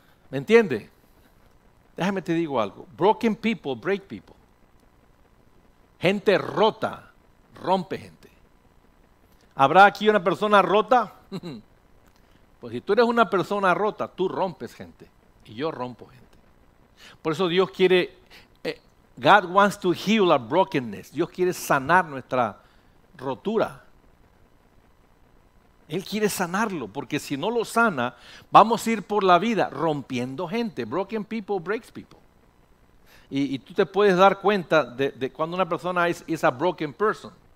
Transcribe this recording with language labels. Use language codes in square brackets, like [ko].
[es] ¿Me entiende? Déjame te digo algo. [en] Broken people break people. [es] Gente rota rompe gente. ¿Habrá aquí una persona rota? Pues si tú eres una persona rota, tú rompes gente. Y yo rompo gente. Por eso Dios quiere, [en] God wants to heal our brokenness. [es] Dios quiere sanar nuestra rotura. Él quiere sanarlo, porque si no lo sana, vamos a ir por la vida rompiendo gente. [en] Broken people breaks people. [es] Y tú te puedes dar cuenta de cuando una persona [en] is a broken person.